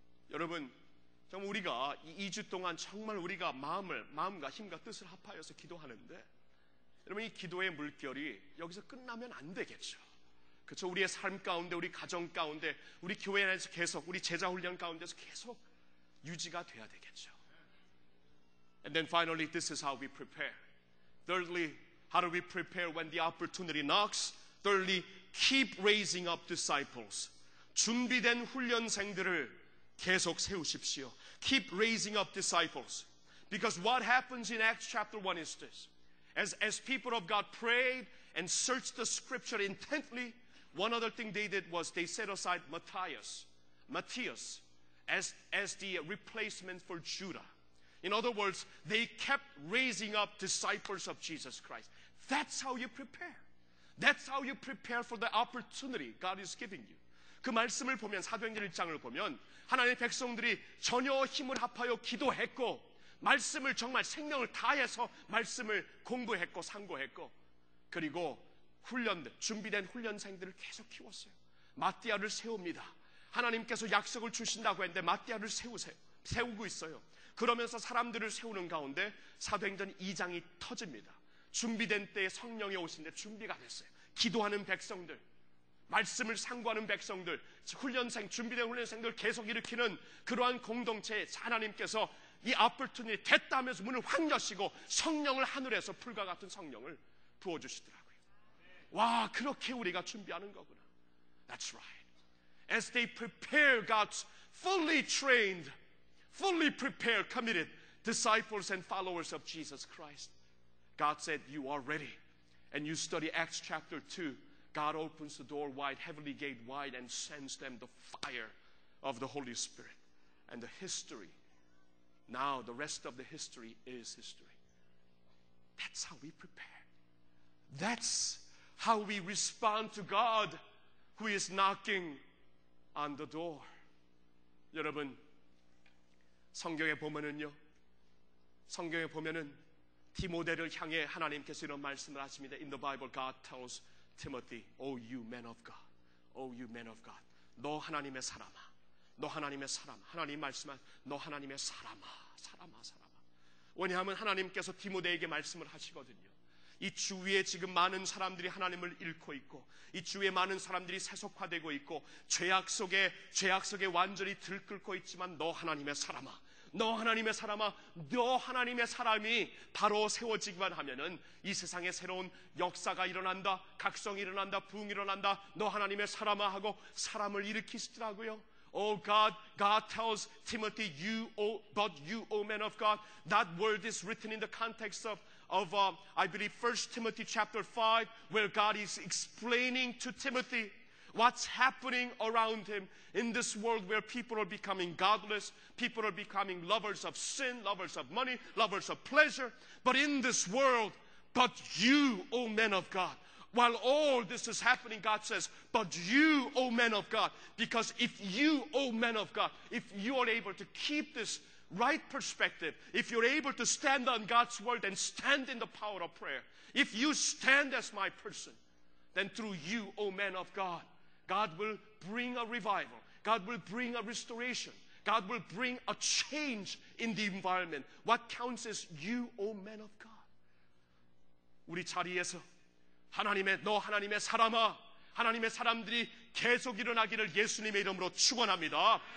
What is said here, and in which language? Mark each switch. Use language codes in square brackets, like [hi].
[ko] 여러분, 정말 우리가 이 2주 동안 정말 우리가 마음과 힘과 뜻을 합하여서 기도하는데 여러분, 이 기도의 물결이 여기서 끝나면 안 되겠죠. 그렇죠. 우리의 삶 가운데, 우리 가정 가운데, 우리 교회 안에서 계속, 우리 제자 훈련 가운데서 계속 유지가 돼야 되겠죠. [en] And then finally, this is how we prepare. Thirdly, how do we prepare when the opportunity knocks? Thirdly, keep raising up disciples. [ko] 준비된 훈련생들을 계속 세우십시오. [en] Keep raising up disciples. Because what happens in Acts chapter 1 is this. As people of God prayed and searched the scripture intently, one other thing they did was they set aside Matthias as the replacement for Judah. In other words, they kept raising up disciples of Jesus Christ. That's how you prepare. That's how you prepare for the opportunity God is giving you. [ko] 그 말씀을 보면, 사도행전 1장을 보면 하나님의 백성들이 전혀 힘을 합하여 기도했고 말씀을 정말 생명을 다해서 말씀을 공부했고 상고했고 그리고 훈련들, 준비된 훈련생들을 계속 키웠어요. 마띠아를 세웁니다. 하나님께서 약속을 주신다고 했는데 마띠아를 세우고 있어요. 그러면서 사람들을 세우는 가운데 사도행전 2장이 터집니다. 준비된 때에 성령이 오신데 준비가 됐어요. 기도하는 백성들, 말씀을 상고하는 백성들, 훈련생, 준비된 훈련생들 계속 일으키는 그러한 공동체에 하나님께서 이 opportunity 됐다 하면서 문을 확 여시고 성령을 하늘에서 불과 같은 성령을 부어주시더라고요. 와, 그렇게 우리가 준비하는 거구나. [en] That's right. As they prepare, God's fully trained, fully prepared, committed disciples and followers of Jesus Christ. God said, you are ready. And you study Acts chapter 2. God opens the door wide, heavenly gate wide, and sends them the fire of the Holy Spirit. And the history, now the rest of the history is history. That's how we prepare. That's how we respond to God who is knocking on the door. [ko] 여러분, 성경에 보면은요, 성경에 보면은 디모데를 향해 하나님께서 이런 말씀을 하십니다. [en] In the Bible, God tells Timothy, O you man of God, O you man of God, [ko] 너 하나님의 사람아, 너 하나님의 사람, 하나님 말씀한 너 하나님의 사람아, 사람아, 사람아. 왜냐하면 하나님께서 디모데에게 말씀을 하시거든요. 이 주위에 지금 많은 사람들이 하나님을 잃고 있고 이 주위에 많은 사람들이 세속화되고 있고 죄악 속에 완전히 들끓고 있지만 너 하나님의 사람아 너 하나님의 사람아 너 하나님의 사람이 바로 세워지기만 하면은 이 세상에 새로운 역사가 일어난다 각성이 일어난다 부흥이 일어난다 너 하나님의 사람아 하고 사람을 일으키시더라고요. [en] Oh God, God tells Timothy, you, but you, O man of God, that word is written in the context of I believe 1 Timothy chapter 5, where God is explaining to Timothy what's happening around him in this world where people are becoming godless, people are becoming lovers of sin, lovers of money, lovers of pleasure. But in this world, but you, O men of God, While all this is happening, God says, but you, O man of God, because if you, O man of God, if you are able to keep this right perspective, if you're able to stand on God's word and stand in the power of prayer, if you stand as my person, then through you, O man of God, God will bring a revival. God will bring a restoration. God will bring a change in the environment. What counts is you, O man of God. [ko] 우리 자리에서 하나님의 너 하나님의 사람아 하나님의 사람들이 계속 일어나기를 예수님의 이름으로 축원합니다.